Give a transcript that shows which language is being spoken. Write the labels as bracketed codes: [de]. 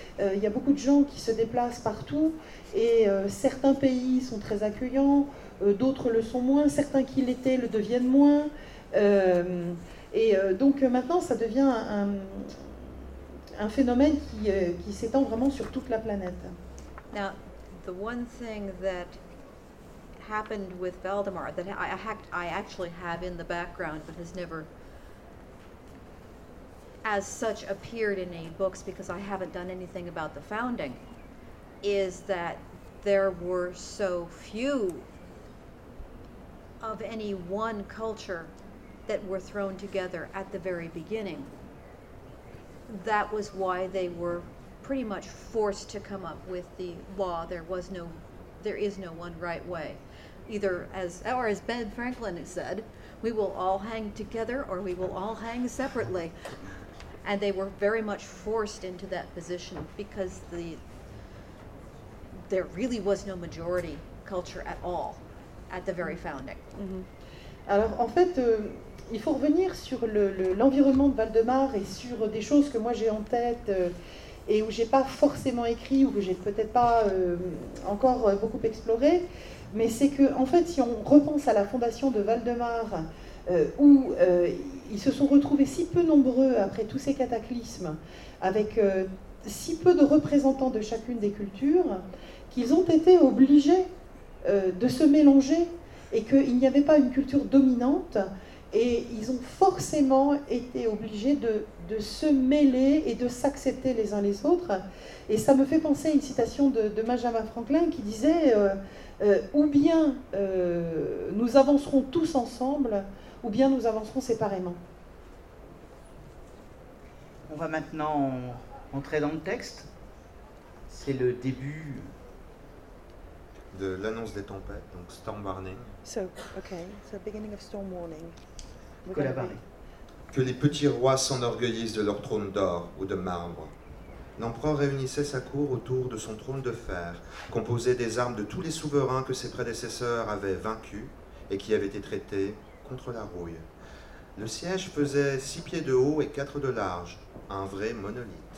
[fr] Il y a beaucoup de gens qui se déplacent partout, et certains pays sont très accueillants, d'autres le sont moins, certains qui l'étaient le deviennent moins. Et donc maintenant, ça devient un phénomène qui s'étend vraiment sur toute la planète. [en] Now, the one thing that happened with Valdemar that I actually have in the background but has never as such appeared in any books because I haven't done anything about the founding is that there were so few of any one culture that were thrown together at the very beginning. That was why they were pretty much forced to come up with the law. There is no one right way. Either as Ben Franklin said, we will all hang together or we will all hang separately. And they were very much forced into that position because there really was no majority culture at all at the very founding. Mm-hmm. [fr] Alors en fait, il faut revenir sur l'environnement de Valdemar et sur des choses que moi j'ai en tête et où j'ai pas forcément écrit ou que j'ai peut-être pas encore beaucoup exploré. Mais c'est que, en fait, si on repense à la fondation de Valdemar, où ils se sont retrouvés si peu nombreux après tous ces cataclysmes, avec si peu de représentants de chacune des cultures, qu'ils ont été obligés de se mélanger et qu'il n'y avait pas une culture dominante, et ils ont forcément été obligés de se mêler et de s'accepter les uns les autres. Et ça me fait penser à une citation de Benjamin Franklin qui disait... Ou bien nous avancerons tous ensemble, ou bien nous avancerons séparément. On va maintenant entrer dans le texte. C'est le début de l'annonce des tempêtes, donc Storm Warning. [en] So, okay, so beginning of Storm Warning. [fr] Que les petits rois s'enorgueillissent de leur trône d'or ou de marbre. L'empereur réunissait sa cour autour de son trône de fer, composé des armes de tous les souverains que ses prédécesseurs avaient vaincus et qui avaient été traités contre la rouille. Le siège faisait 6 pieds de haut et 4 de large, un vrai monolithe.